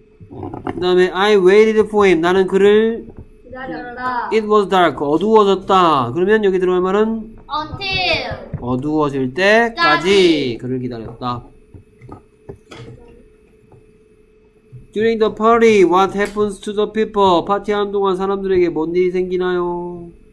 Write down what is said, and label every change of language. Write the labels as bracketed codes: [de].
[ko] 그 다음에 [en] I waited for him. [ko] 나는 그를 기다렸다. [en] It was dark. [ko] 어두워졌다. 그러면 여기 들어갈 말은 [en] Until [ko] 어두워질 때까지 그를 기다렸다. [en] During the party, what happens to the people? [ko] 파티하는 동안 사람들에게 뭔 일이 생기나요?